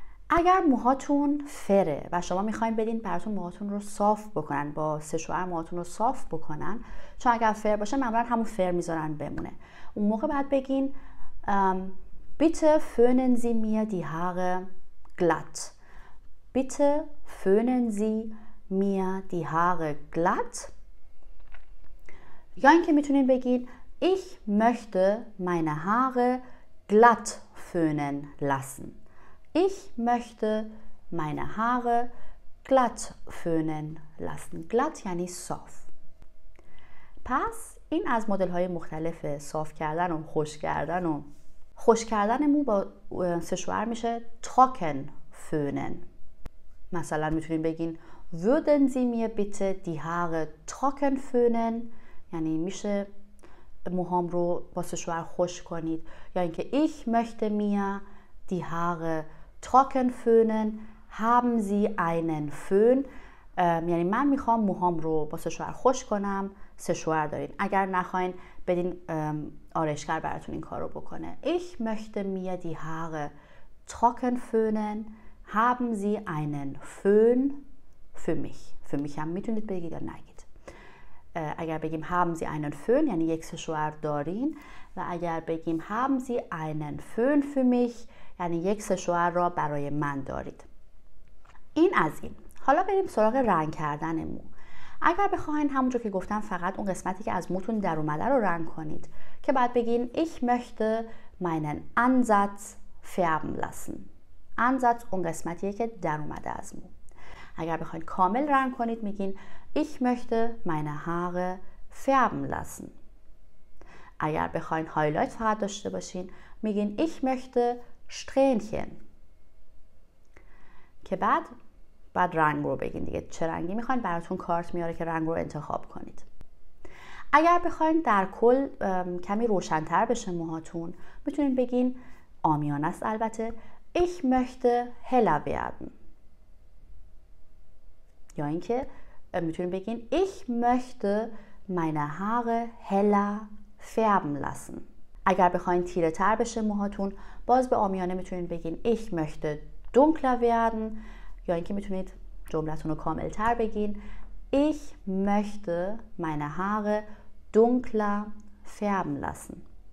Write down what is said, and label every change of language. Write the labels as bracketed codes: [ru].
[fa] اگر موهاتون فره و شما میخواین بدین براتون موهاتون رو صاف بکنن، با سشوار موهاتون رو صاف بکنن، چون اگر فر باشه معمولا همون فر میذارن بمونه، اون موقع باید بگین [de] bitte föhnen Sie mir die Haare glatt. bitte föhnen Sie mir die Haare glatt. [fa] یا اینکه میتونین بگین [de] ich möchte meine Haare glatt föhnen lassen. ich möchte meine Haare glatt föhnen lassen. [fa] glatt یعنی صاف. پس این از مدل های مختلف صاف کردن و خشک کردن. و خشک کردن مو با سشوار میشه [de] trocken föhnen. [fa] مثلا میتونیم بگین [de] würden Sie mir bitte die Haare trocken föhnen؟ [fa] یعنی میشه موهام رو با سشوار خوش کنید. یا یعنی اینکه [de] ich möchte mir die Haare trocken föhnen. haben Sie einen Föhn؟ [fa] یعنی من میخوام موهام رو با سشوار خوش کنم، سشوار دارین؟ اگر نخواین بدین آرایشگر براتون این کار رو بکنه. [de] ich möchte mir die Haare trocken föhnen. haben Sie einen Föhn für mich؟ für mich [fa] هم میتونید بگید یا نگید. اگر بگیم [de] haben Sie einen Föhn [fa] یعنی یک سشوار دارین، و اگر بگیم [de] haben Sie einen Föhn für mich [fa] یعنی یک سشوار را برای من دارید. این از این. حالا بریم سراغ رنگ کردن مو. اگر بخواین همونجور که گفتم فقط اون قسمتی که از موتون در اومده رو رنگ کنید، که بعد بگین [de] ich möchte meinen Ansatz färben lassen. [fa] Ansatz اون قسمتیه که در اومده از مو. اگر بخواین کامل رنگ کنید میگین [de] ich möchte meine Haare färben lassen. [fa] اگر بخواین هایلایت فقط داشته باشین میگین [de] ich möchte Strähnchen. [fa] که بعد بعد رنگ رو بگین دیگه چه رنگی میخواین، براتون کارت میاره که رنگ رو انتخاب کنید. اگر بخواین در کل کمی روشنتر بشه موهاتون، میتونین بگین آمیانه است البته، [de] ich möchte heller werden. [fa] یا اینکه میتونین بگین [de] ich möchte meine Haare heller färben lassen. [fa] اگر بخواین تیره تر بشه موهاتون، باز به آمیانه میتونین بگین [de] ich möchte dunkler werden. [fa] یا اینکه میتونید جملتون رو کامل تر بگین [de] ich möchte meine Haare dunkler färben lassen.